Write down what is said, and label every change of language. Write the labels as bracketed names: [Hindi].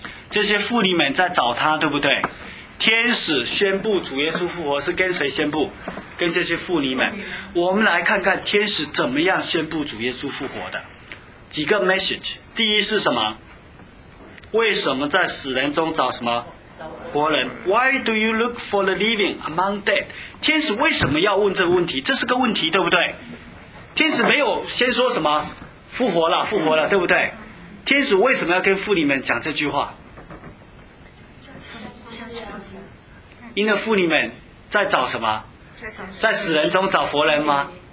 [Chinese] 这些妇女们在找他，对不对？天使宣布主耶稣复活是跟谁宣布？跟这些妇女们。我们来看看天使怎么样宣布主耶稣复活的。几个 message， 第一是什么？为什么在死人中找什么活人？ [English] Why do you look for the living among dead？ [Chinese] 天使为什么要问这个问题？这是个问题，对不对？天使没有先说什么复活了复活了，对不对？天使为什么要跟妇女们讲这句话？因为妇女们在找什么？在死人中找活人吗？